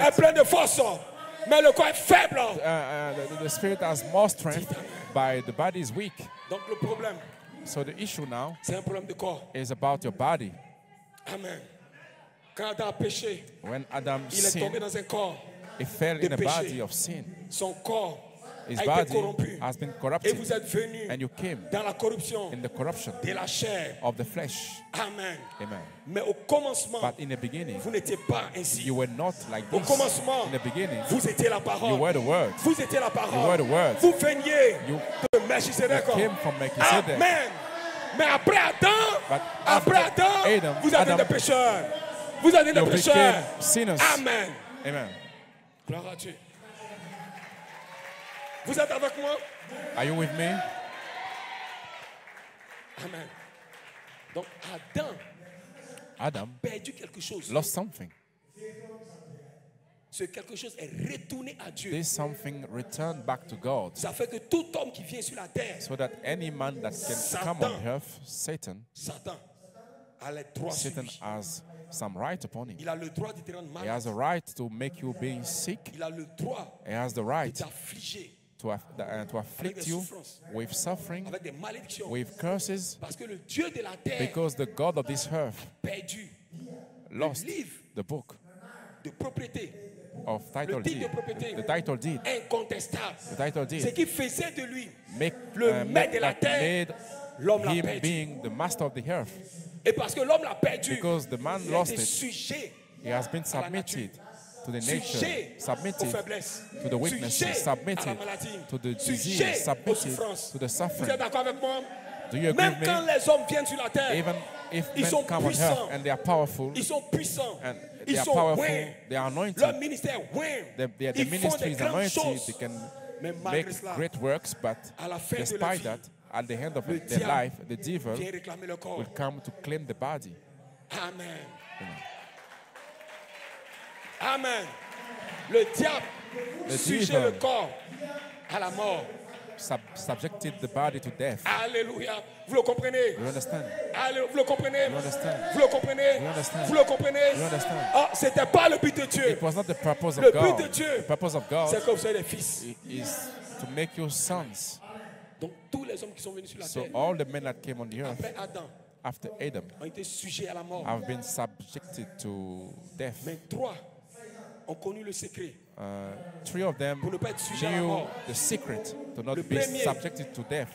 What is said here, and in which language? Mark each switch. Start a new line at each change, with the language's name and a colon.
French: est plein de force, mais le corps est faible.
English: The spirit has more strength, but the body is weak.
French: Donc le problème.
English: So the issue now
French: c'est un problème de corps.
English: Is about your body.
French: Amen. Quand Adam a péché,
English: when Adam
French: il est
English: sinned,
French: tombé dans un corps
English: he fell
French: de
English: in
French: péché.
English: A body of sin.
French: Son corps
English: his body has been corrupted.
French: Et vous êtes venu
English: and you came
French: dans la corruption
English: in the corruption
French: de la chair.
English: Of the flesh. Amen. Amen.
French: Mais au commencement,
English: but in the beginning,
French: vous n'étiez pas ainsi.
English: You were not like this.
French: Au commencement,
English: in the beginning,
French: vous étiez la parole.
English: You were the word.
French: Vous étiez la parole.
English: You were the word.
French: Vous veniez de Melchizedek.
English: You came from Melchizedek.
French: Amen. Mais après Adam,
English: but
French: après Adam,
English: Adam
French: vous êtes
English: Adam,
French: des pécheurs. Vous êtes des
English: you
French: pécheurs.
English: Became sinners. Amen. Amen.
French: Gloire à Dieu. Vous êtes avec moi?
English: Are you with me?
French: Amen. Donc Adam,
English: Adam
French: a perdu quelque chose.
English: Lost something.
French: Ce quelque chose est retourné à Dieu.
English: This something returned back to God.
French: Ça fait que tout homme qui vient sur la terre.
English: So that any man that can Satan, come on earth, Satan.
French: Satan a les droits
English: Satan
French: sur lui.
English: Has some right upon him.
French: Il a le droit de te rendre malade.
English: He has a right to make you being sick.
French: Il a le droit.
English: He has the right
French: de t'affliger.
English: To afflict you with suffering,
French: avec des
English: with curses,
French: parce que le Dieu de la terre
English: because the God of this earth
French: perdu
English: lost
French: le livre
English: the book
French: de propriété,
English: of title
French: le titre
English: deed,
French: de propriété,
English: the title deed,
French: incontestable,
English: the title deed,
French: ce qui faisait de lui
English: make,
French: le maître de la terre, l'homme l'a perdu,
English: being the master of the earth,
French: et parce que l'homme l'a perdu,
English: because the man lost
French: il était sujet
English: it, he has been submitted. To the nature, submitted to the weakness, submitted to the disease, submitted to the suffering. Do you agree with me?
French: Même quand les hommes viennent sur la terre,
English: even if men come
French: puissants.
English: On earth and they are powerful,
French: ils sont puissants.
English: And
French: ils
English: they
French: sont
English: are powerful, wham. They are anointed.
French: Leur ministère, wham.
English: The ministry is anointed. Choses. They can make
French: cela,
English: great works, but
French: à la fin
English: despite
French: de la vie,
English: that, at the end of their life, the devil will come to claim the body. Amen. Amen. Amen.
French: Le diable sujet le corps à la mort.
English: Subjected the body to death.
French: Alléluia. Vous le comprenez?
English: You understand?
French: Alléluia. Vous le comprenez?
English: You understand?
French: Vous le comprenez?
English: You understand?
French: Vous le comprenez?
English: You understand?
French: Oh, c'était pas le but de Dieu.
English: It was not the purpose of
French: le
English: God.
French: Le but de Dieu.
English: The purpose of God.
French: C'est que vous soyez des fils.
English: Is to make you sons.
French: Donc tous les hommes qui sont venus sur la terre.
English: So all the men that came on the earth.
French: Après Adam.
English: After Adam.
French: Ont été sujets à la mort.
English: Have been subjected to death.
French: Mais trois ont connu le secret.
English: Three of them knew the secret to not be subjected to death.